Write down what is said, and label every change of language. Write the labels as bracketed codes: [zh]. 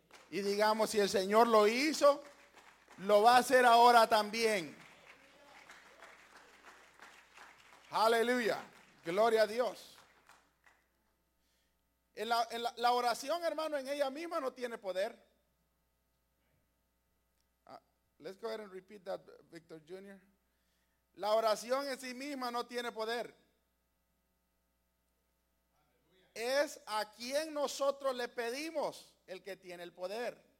[es] Y digamos, si el Señor lo hizo, lo va a hacer ahora también. Aleluya. Gloria a Dios. La oración, hermano, en ella misma no tiene poder. [en] Let's go ahead and repeat that, Victor Jr. [es] La oración en sí misma no tiene poder. Es a quien nosotros le pedimos el que tiene el poder.